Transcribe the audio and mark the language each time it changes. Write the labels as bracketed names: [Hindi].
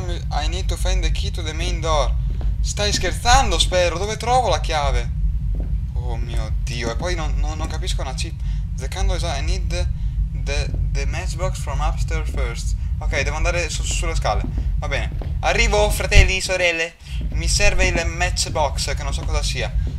[English] I need to find the key to the main door. [Italian] Stai scherzando, spero. Dove trovo la chiave? Oh mio Dio. E poi non capisco una chip. [English] The candle is on. I need the matchbox from upstairs first. [Italian] Ok, devo andare sulle scale. Va bene. Arrivo, fratelli, sorelle. Mi serve il matchbox, che non so cosa sia.